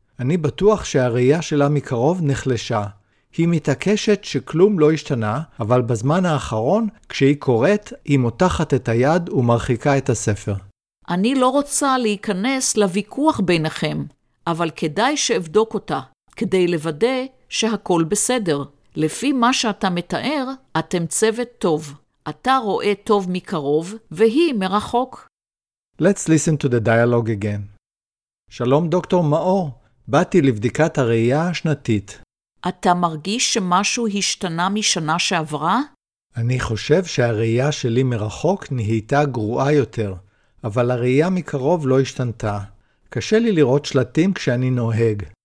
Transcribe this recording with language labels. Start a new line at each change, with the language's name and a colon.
Hebrew: אני בטוח שהראייה שלה מקרוב נחלשה. היא מתעקשת שכלום לא השתנה, אבל בזמן האחרון, כשהיא קוראת, היא מותחת את היד ומרחיקה את הספר. אני לא רוצה להיכנס לוויכוח ביניכם, אבל כדאי שאבדוק אותה, כדי לוודא שהכל בסדר. לפי מה שאתה מתאר, אתם צוות טוב. אתה רואה טוב מקרוב, והיא מרחוק.
English: Let's listen to the dialogue again.
Hebrew: שלום דוקטור מאור, באתי לבדיקת הראייה השנתית. אתה מרגיש שמשהו השתנה משנה שעברה? אני חושב שהראייה שלי מרחוק נהייתה גרועה יותר, אבל הראייה מקרוב לא השתנתה. קשה לי לראות שלטים כשאני נוהג.